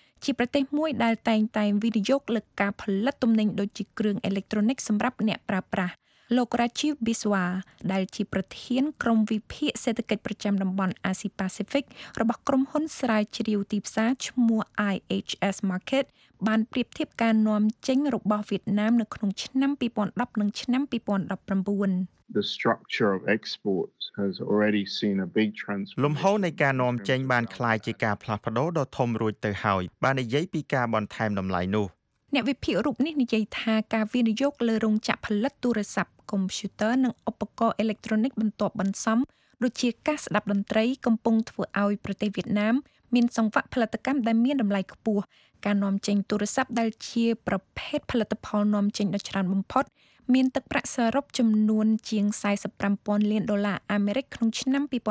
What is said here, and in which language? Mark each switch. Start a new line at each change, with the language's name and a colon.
Khmer: ជាប្រទេសមួយដែលតែងតែវិនិយោគលើការផលិតទំនិញដូចជាគ្រឿងអេឡិចត្រូនិកសម្រាប់អ្នកប្រើប្រាស់លោករ៉ាជីវប៊ីស្វាដែលជាប្រធានក្រុមវិភាគសេដ្ឋកិច្ចប្រចាំតំបន់អាស៊ីប៉ាស៊ីហ្វិករបស់ក្រុមហ៊ុនស្រាវជ្រាវទីផ្សារឈ្មោះ IHS Market បានប្រៀបធៀបការនាំចេញរបស់វៀតណាមនៅក្នុងឆ្នាំ2010និងឆ្នាំ2019
English: The structure of exports has already seen a big transformation.
Khmer: លំហូរនៃការនាំចេញបានក្លាយជាការផ្លាស់ប្ដូរដ៏ធំរួចទៅហើយបាននិយាយពីការបន្ថែមតម្លៃនោះ អ្នកវិភាគរូបនេះនិយាយថាការវិនិយោគលើរោងចក្រផលិតទូរស័ព្ទកុំព្យូទ័រនិងឧបករណ៍អេឡិចត្រូនិកបន្ទាប់បន្សំដូចជាកាសស្ដាប់តន្ត្រីកំពុងធ្វើឲ្យប្រទេសវៀតណាមមានសង្វាក់ផលិតកម្មដែលមានតម្លៃខ្ពស់ការនាំចេញទូរស័ព្ទដែលជាប្រភេទផលិតផលនាំចេញដ៏ច្រើនបំផុតមានទឹកប្រាក់សរុបចំនួនជាង45,000,000,000អាមេរិកក្នុងឆ្នាំ